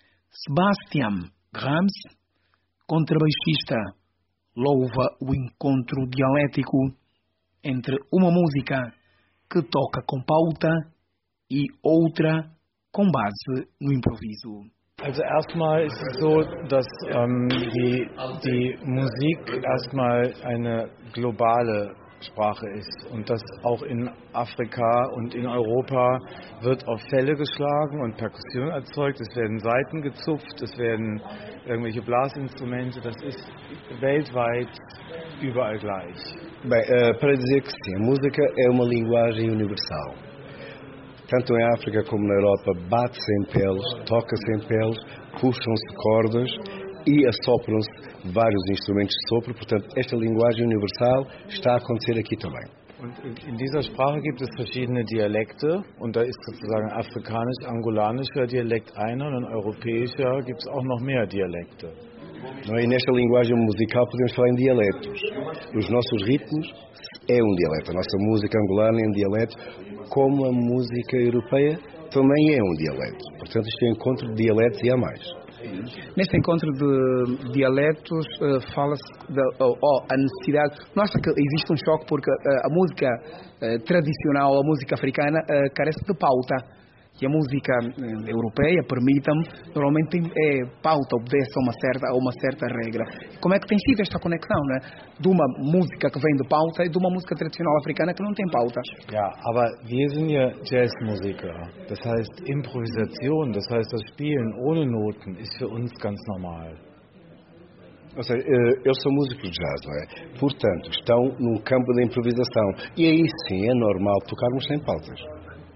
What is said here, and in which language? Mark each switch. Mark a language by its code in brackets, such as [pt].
[pt] Sebastian Grams, contrabaixista, louva o encontro dialético entre uma música que toca com pauta e outra com base no improviso. [de] Also erstmal ist es so, dass die Musik erstmal eine globale Sprache ist und dass auch in Afrika und in Europa wird auf Felle geschlagen und Perkussion erzeugt, es werden Saiten gezupft, es werden irgendwelche Blasinstrumente, das ist weltweit überall gleich. [pt] Para dizer que sim, a música é uma linguagem universal. Tanto em África como na Europa, bate-se em peles, toca-se em peles, puxam-se cordas e assopram-se vários instrumentos de sopro. Portanto, esta linguagem universal está a acontecer aqui também. [de] In dieser Sprache gibt es verschiedene Dialekte und da ist sozusagen afrikanisch-angolanischer Dialekt einer und europäischer gibt es auch noch mehr Dialekte. [pt] E nesta linguagem musical podemos falar em dialetos. Os nossos ritmos é um dialeto. A nossa música angolana é um dialeto, como a música europeia também é um dialeto. Portanto, este é um encontro de dialetos e há mais. Neste encontro de dialetos, fala-se da a necessidade. Nossa, que existe um choque porque a música tradicional, a música africana, carece de pauta. E a música europeia, permita-me, normalmente é pauta, obedece a uma certa regra. Como é que tem sido esta conexão, né? De uma música que vem de pauta e de uma música tradicional africana que não tem pauta? [de] Ja, aber wir sind ja Jazzmusiker. Das heißt, Improvisation, das heißt, das Spielen ohne Noten ist für uns ganz normal. [pt] Ou seja, eu sou músico de jazz, não é? Portanto, estão num campo de improvisação. E aí sim é normal tocarmos sem pautas.